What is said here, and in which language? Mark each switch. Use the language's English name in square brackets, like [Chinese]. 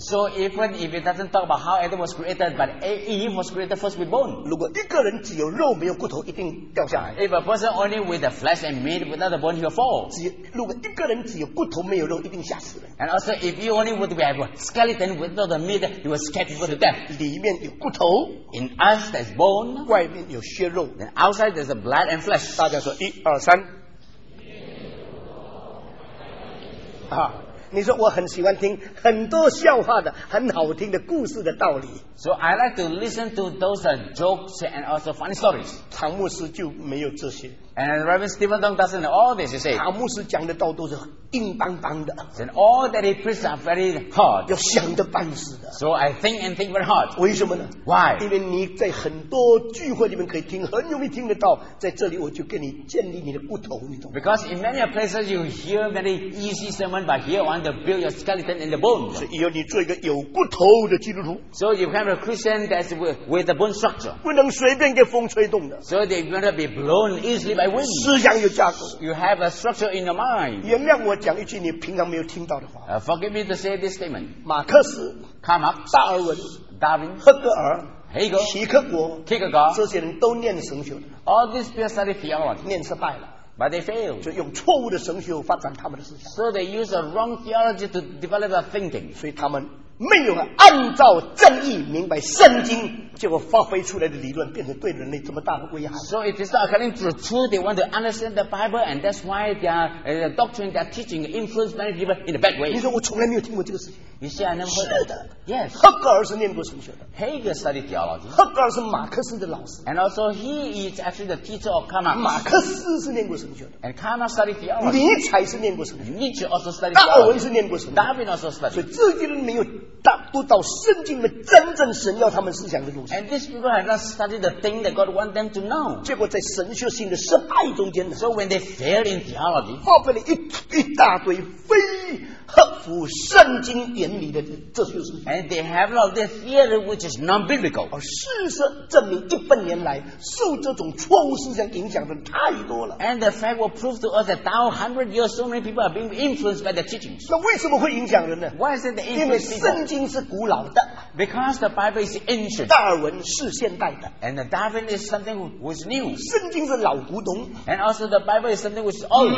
[English] So even if it doesn't talk about how Adam was created, but Eve was created first with bone. [Chinese] 如果一个人只有肉没有骨头，一定掉下来。 [English] If a person only with the flesh and meat without the bone, he'll fall. [Chinese] 如果一个人只有骨头没有肉，一定吓死人。 [English] And also if you only would be a skeleton without the meat, you will scare people. [Chinese] 里面有骨头， [English] in us there's bone， [Chinese] 外面有血肉， [English] and outside there's a blood and flesh。 [Chinese] 大家说一二三， 你说我很喜欢听很多笑话的很好听的故事的道理。 [English] So I like to listen to those jokes and also funny stories。 [Chinese] 常牧师就没有这些， [English] And Reverend Stephen Tong doesn't know all this, you see. [Chinese] 他牧师讲的道都是硬邦邦的。 [English] And all that he preached are very hard. [Chinese] 要想得半死的。 [English] So I think and think very hard. [Chinese] 为什么呢? [English] Why? [Chinese] 因为你在很多聚会里面可以听，很容易听得到。在这里我就跟你建立你的骨头，你懂吗? [English] Because in many places you hear very easy sermon, but here I want to build your skeleton in the bone. [Chinese] 所以要你做一个有骨头的基督徒。 [English] So you have a Christian that's with the bone structure. [Chinese] 不能随便给风吹动的。 [English] So they're going to be blown easily by wind. [Chinese] 思想有架构。 [English] You have a structure in your mind. [Chinese] 原谅我讲一句你平常没有听到的话。 [English] Forgive me to say this statement. [Chinese] 马克思, [English] Karl Marx, [Chinese] 达尔文, [English] Darwin, [Chinese] 赫格尔, [English] Hegel, [Chinese] 齐克国, [English] Kierkegaard, [Chinese] 这些人都念神学的。 [English] All these people study theology. [Chinese] 念失败了。 [English] But they fail. [Chinese] 就用错误的神学发展他们的思想。 [English] So they use a wrong theology to develop their thinking. [Chinese] 所以他们 没有按照正义明白圣经，结果发挥出来的理论变成对人类这么大的危害。 [English] So it is not according to the truth. They want to understand the Bible, and that's why their doctrine, their teaching influence many people in a bad way. [Chinese] 你说我从来没有听过这个事情。 [English] You see, I never heard. [Chinese] 是的。 [English] Yes. [Chinese] 赫格尔是念过神学的。 [English] Hegel studied theology. [Chinese] 赫格尔是马克思的老师。 [English] And also he is actually the teacher of Karl Marx. [Chinese] 马克思是念过神学的。 [English] And Karl Marx studied theology. [Chinese] 尼采是念过神学的。 [English] Nietzsche also studied theology. [Chinese] 达尔文是念过神学的。 [English] Darwin also studied. [Chinese] 所以这些人没有。读到圣经的真正神要他们思想的东西。 [English] And these people have not studied the thing that God wants them to know. [Chinese] 结果在神学性的失败中间, [English] so when they fail in theology, [Chinese] 发挥了一大堆非合乎圣经原理的这些思想。 [English] And they have not the theory which is non-biblical. [Chinese] 事实证明一百年来受这种错误思想影响的太多了。 [English] And the fact will prove to us that now 100 years so many people are being influenced by the teachings. [Chinese] 那为什么会影响人呢? [English] Why is it the influence people? [Chinese] 圣经是古老的, [English] because the Bible is ancient. [Chinese] 达尔文是现代的, [English] and the Darwin is something which is new. [Chinese] 圣经是老古董, [English] and also the Bible is something which is old.